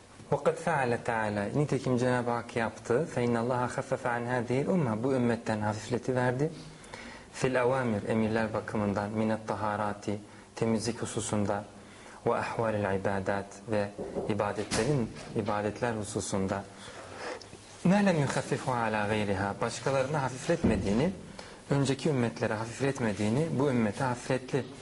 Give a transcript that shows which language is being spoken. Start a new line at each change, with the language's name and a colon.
Arabic: وَقَدْ فَعَلَ تَعَالَى
Turkish: Nitekim Cenab-ı Hak yaptı.
Arabic: فَاِنَّ اللّٰهَ خَفَّفَ عَنْ هَذِهِ الْاُمَّةِ
Turkish: Bu ümmetten hafifletiverdi.
Arabic: فِي الْاَوَامِرِ
Turkish: Emirler bakımından,
Arabic: مِنَ الطَّهَارَاتِ
Turkish: Temizlik hususunda,
Arabic: وَاَحْوَالِ الْعِبَادَاتِ
Turkish: Ve ibadetlerin, ibadetler hususunda.
Arabic: مَا لَمْ يُخَفِّفُ عَلَى غَيْرِهَا
Turkish: Başkalarına hafifletmediğini, önceki ümmetlere hafifletmediğini, bu ümmete hafifletti.